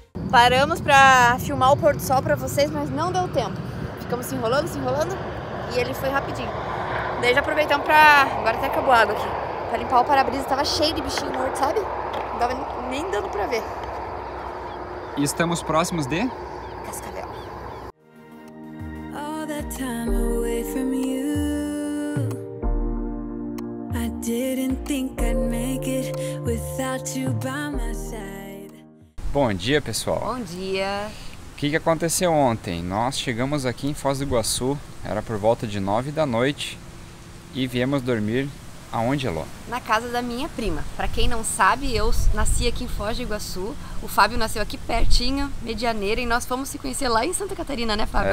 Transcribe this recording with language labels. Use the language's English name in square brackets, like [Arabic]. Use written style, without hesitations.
[Portuguese] Paramos para filmar o pôr do sol para vocês, mas não deu tempo. Ficamos se enrolando e ele foi rapidinho. Daí já aproveitamos para... Agora até acabou a água aqui. Para limpar o para-brisa, estava cheio de bichinho morto, sabe? Não estava nem dando para ver. E estamos próximos de... Cascavel. [English] All that time away from you, I didn't think I'd make it without you by my side. [Portuguese] Bom dia, pessoal. Bom dia. O que aconteceu ontem? Nós chegamos aqui em Foz do Iguaçu, era por volta de 9 da noite, e viemos dormir Aonde, Alô? Na casa da minha prima. Pra quem não sabe, eu nasci aqui em Foz do Iguaçu. O Fábio nasceu aqui pertinho, Medianeira, e nós fomos se conhecer lá em Santa Catarina, né, Fábio?